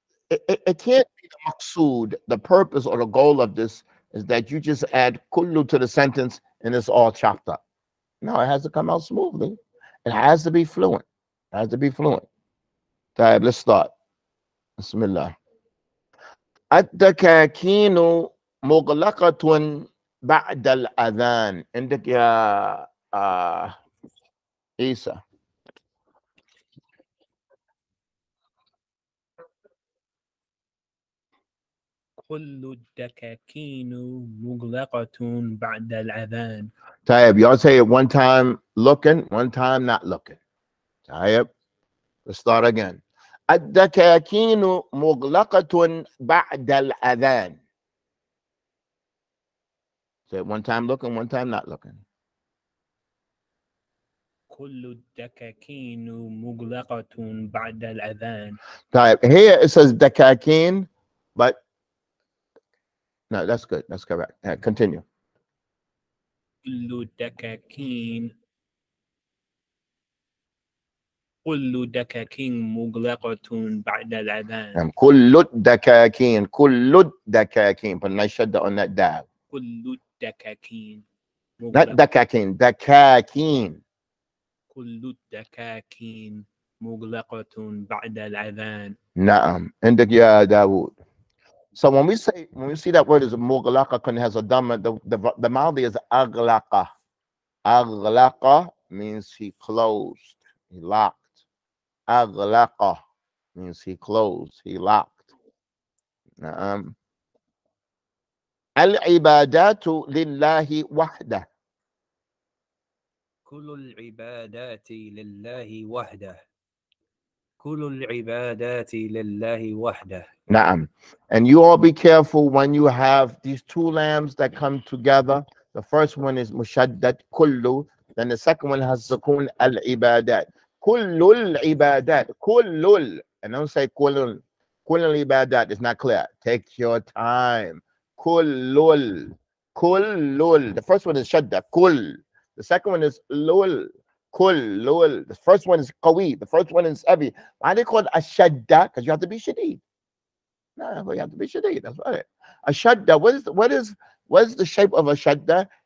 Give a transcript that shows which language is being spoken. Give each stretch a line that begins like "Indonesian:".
English: It can't be the maqsood, the purpose or the goal of this is that you just add kullu to the sentence and it's all chopped up. No, it has to come out smoothly. It has to be fluent. It has to be fluent. طيب, let's start.
Arabic: بسم الله. الدكاكين مغلقة بعد الأذان. عندك يا عيسى. كل الدكاكين مغلقة بعد الأذان.
English: طيب, y'all say it one time looking, one time not looking. طيب, let's start again.
Arabic: الدكاكين مغلقة بعد الأذان.
English: Say it one time looking, one time not looking.
Arabic: كل الدكاكين مغلقة بعد الأذان.
English: طيب, here it says دكاكين, but no, that's good, that's correct. Yeah, continue.
Arabic: كل الدكاكين كل دكاكين مغلقة بعد الأذان. كل الدكاكين, كل الدكاكين,
English: but nice shadda on that dal.
Arabic: كل الدكاكين.
English: Not دكاكين, دكاكين.
Arabic: كل الدكاكين مغلقة بعد الأذان. نعم, عندك يا داود.
English: So when we say, when we see that word is مغلقة, when it has a dhamma, the ماضي is أغلقة. أغلقة means he closed, he locked. أغلق means he closed, he locked.
Arabic: العبادات لله وحده. كل العبادات لله وحده. كل العبادات لله وحده. نعم.
English: And you all be careful when you have these two lambs that come together. The first one is مشدد كل, then the second one has سكون العبادات.
Arabic: كل العبادات, كل ال,
English: and don't say
Arabic: كل ال, كل العبادات,
English: it's not clear. Take your time.
Arabic: كل ال, كل ال.
English: The first one is شدة, كل. The second one is لول, كل ال. The first one is قوي, the first one is heavy. Why they call it a شدة? Because you have to be شديد. No, you have to be شديد, that's right. A شدة, what is the shape of a شدة?